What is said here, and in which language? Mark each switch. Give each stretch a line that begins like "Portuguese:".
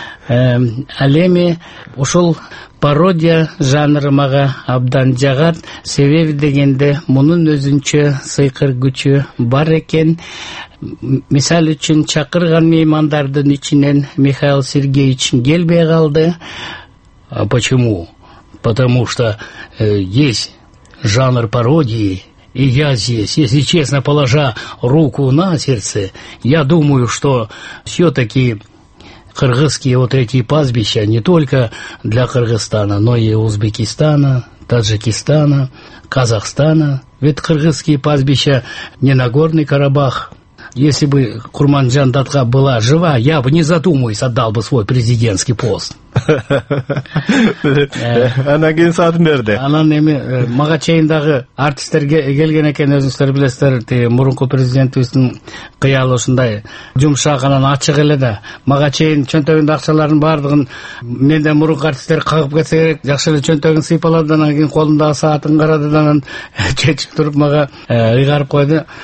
Kyrgyz: Алеми ушул пародия жанры мага абдан жагат. Себеби дегенде мунун өзүнчө сыйкыр күчү бар экен. Мисал үчүн чакырган меймандардын ичинен Михаил Сергеевич келбей калды.
Russian: А почему? Потому что есть жанр пародии. И я здесь, если честно, положа руку на сердце, я думаю, что все-таки кыргызские вот эти пастбища не только для Кыргызстана, но и Узбекистана, Таджикистана, Казахстана. Ведь кыргызские пастбища не Нагорный Карабах. Если бы Курманжан Датка была жива, я бы, не задумываясь, отдал бы свой президентский пост. Она кейін сатын берді.
Kyrgyz: Анан эми мага чейиндагы артисттерге келген экен, өзүңүздөр билесиздер, мурунку президентибиздин кыялы ушундай жумшак анан ачык эле да. Мага чейин чөнтөгүндө акчалардын бардыгын менден мурунку артисттер кагып кетсе керек, жакшы эле чөнтөгүн сыйпалады да, анан кийин колундагы саатын карады да, анан чечип туруп мага ыйгарып койду.